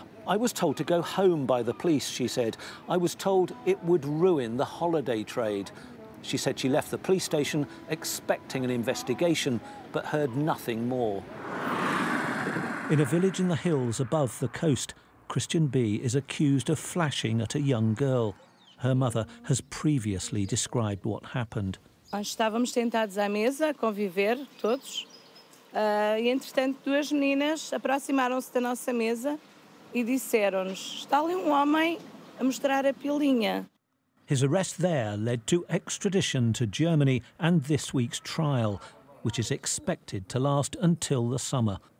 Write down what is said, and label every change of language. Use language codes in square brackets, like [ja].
[en] I was told to go home by the police, she said. I was told it would ruin the holiday trade. She said she left the police station expecting an investigation, but heard nothing more. In a village in the hills above the coast, Christian B is accused of flashing at a young girl. Her mother has previously described what happened. [pt] Nós estávamos sentados à mesa, a conviver, todos. E, entretanto, duas meninas aproximaram-se da nossa mesa e disseram-nos, está ali homem a mostrar a pilinha. [en] His arrest there led to extradition to Germany and this week's trial, which is expected to last until the summer.